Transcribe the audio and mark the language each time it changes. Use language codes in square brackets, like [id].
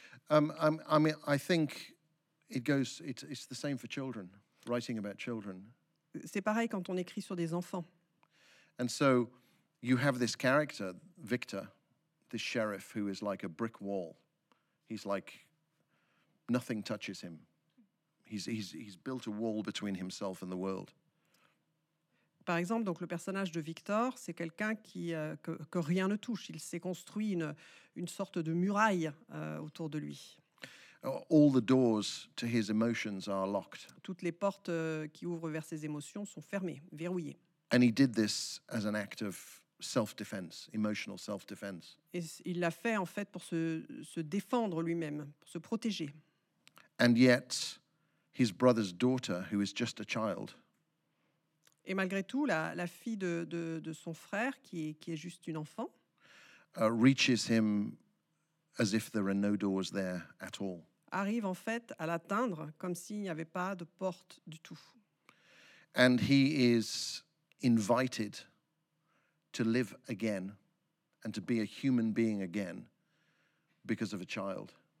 [en] I think it's the same for children, writing about children. [fr] C'est pareil quand on écrit sur des enfants. [en] And so you have this character, Victor, the sheriff who is like a brick wall. He's like, nothing touches him. He's built a wall between himself and the world. [fr] Par exemple, donc le personnage de Victor, c'est quelqu'un qui que rien ne touche. Il s'est construit une sorte de muraille autour de lui. [en] All the doors to his emotions are locked. [fr] Toutes les portes qui ouvrent vers ses émotions sont fermées, verrouillées. [en] And he did this as an act of self-defense, emotional self-defense. [fr] Et il l'a fait en fait pour se défendre lui-même, pour se protéger. [en] And yet, his brother's daughter, who is just a child. [fr] Et malgré tout, la fille de son frère, qui est juste une enfant, [en] reaches him as if there are no doors there at all. [fr] Arrive en fait à l'atteindre comme s'il n'y avait pas de porte du tout. [en] And he is invited to live again and to be a human being again because of a child.